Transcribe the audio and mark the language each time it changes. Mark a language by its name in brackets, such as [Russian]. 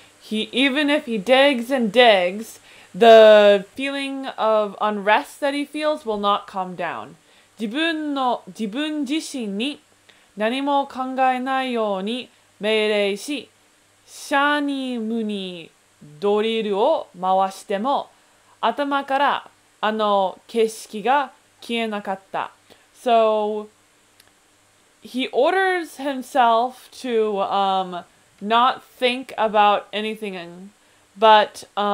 [English] Even if he digs and digs, the feeling of unrest that he feels will not calm down. [Japanese] 自分自身に何も考えないように命令し、シャニムにドリルを回しても、頭からあの景色が消えなかった。 [English] So, he orders himself to not think about anything, but...